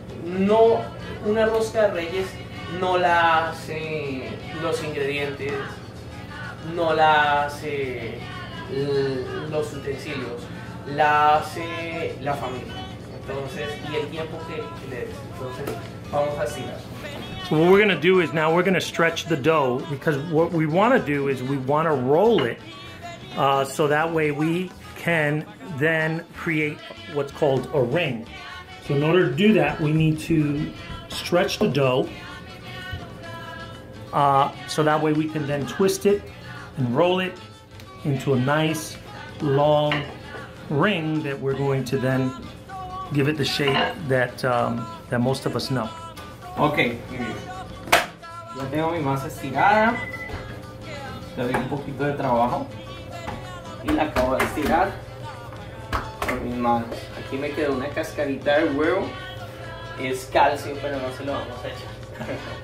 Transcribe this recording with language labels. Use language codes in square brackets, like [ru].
[es] No, una rosca de reyes no la hace los ingredientes, no la hace los utensilios, la hace la familia. Entonces, y el tiempo que le des. Entonces, vamos a estirar. [en] So what we're going to do is now we're going to stretch the dough, because what we want to do is we want to roll it so that way we can then create what's called a ring. So in order to do that, we need to stretch the dough so that way we can then twist it and roll it into a nice long ring that we're going to then give it the shape that that most of us know. [es] Okay, ya tengo mi masa estirada, le doy un poquito de trabajo y la acabo de estirar con mis manos. Aquí me quedó una cascarita de huevo, es calcio, pero no se lo vamos a echar.